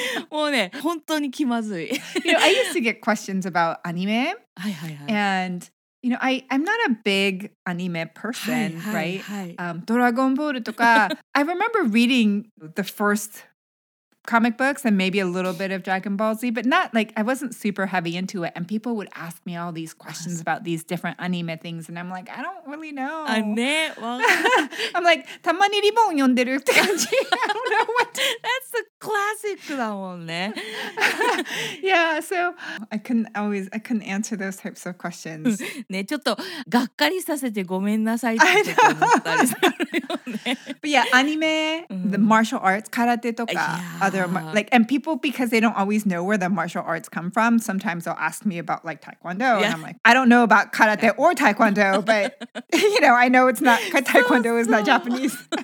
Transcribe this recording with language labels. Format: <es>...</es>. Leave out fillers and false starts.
<ja>もうね、本当に気まずい。</ja> <en>You know, I used to get questions about anime. And, you know, I'm not a big anime person, right? Dragon Ball とか、I remember reading the first comic books and maybe a little bit of Dragon Ball Z, but not like, I wasn't super heavy into it. And people would ask me all these questions about these different anime things. And I'm like, I don't really know. I'm like,</en> <ja>たまにリボン読んでるって感じ。</ja> <en>I don't know what. That's the classic</en> <ja>だもんね。</ja> <en>Yeah, so I couldn't answer those types of questions.</en> <ja>ね、ちょっとがっかりさせてごめんなさいって思ったりするよね。</ja> <en>But yeah, anime, the martial arts, karate とか、like, and people, because they don't always know where the martial arts come from, sometimes they'll ask me about like taekwondo. Yeah. And I'm like, I don't know about karate or taekwondo, but you know, I know it's not, taekwondo is not Japanese.</en>